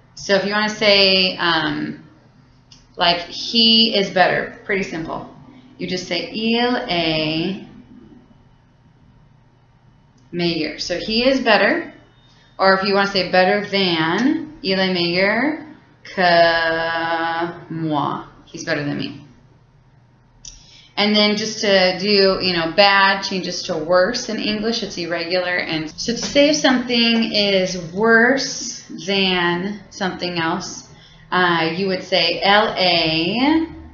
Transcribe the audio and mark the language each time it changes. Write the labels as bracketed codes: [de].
[en] So if you want to say like he is better, pretty simple. You just say [fr] il est meilleur. [en] So he is better. Or if you want to say better than, [fr] il est meilleur que moi. [en] He's better than me. And then just to do, you know, bad changes to worse in English. It's irregular. And so to say if something is worse than something else, you would say L.A.